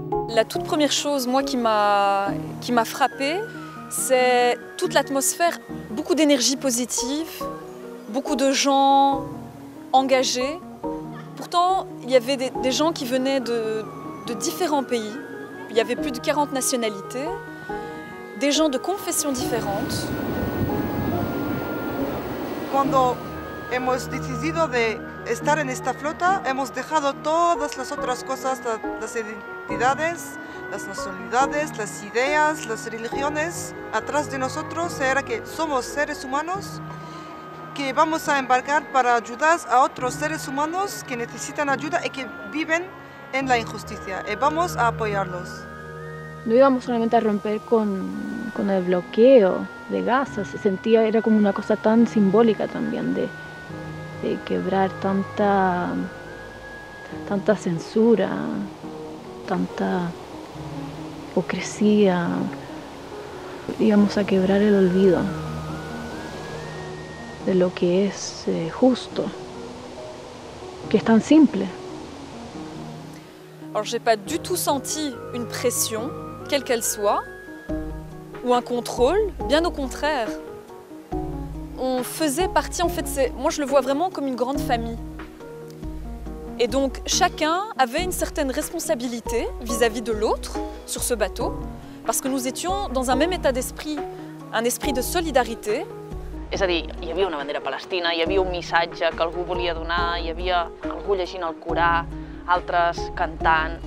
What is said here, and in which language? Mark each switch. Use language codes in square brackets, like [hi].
[fr] la toute première chose, moi, qui m'a frappée, c'est toute l'atmosphère, beaucoup d'énergie positive, beaucoup de gens engagés. Pourtant, il y avait des gens qui venaient de différents pays. Il y avait plus de 40 nationalités, des gens de confessions différentes. Quand nous avons décidé de [es] estar en esta flota, hemos dejado todas las otras cosas, las identidades, las nacionalidades, las ideas, las religiones. Atrás de nosotros era que somos seres humanos que vamos a embarcar para ayudar a otros seres humanos que necesitan ayuda y que viven en la injusticia. Y vamos a apoyarlos. No íbamos solamente a romper con el bloqueo de Gaza. Se sentía, era como una cosa tan simbólica también de quebrar tanta censura, tanta hipocresía, íbamos a quebrar el olvido de lo que es justo, que es tan simple. [fr] Alors, j'ai pas du tout senti une pression, quelle qu'elle soit, ou un contrôle, bien au contraire. On faisait partie, en fait, moi je le vois vraiment comme une grande famille. Et donc chacun avait une certaine responsabilité vis-à-vis de l'autre sur ce bateau, parce que nous étions dans un même état d'esprit, un esprit de solidarité. [ca] És a dir, hi havia una bandera palestina, hi havia un missatge que algú volia donar, hi havia algú llegint el Corà, altres cantant.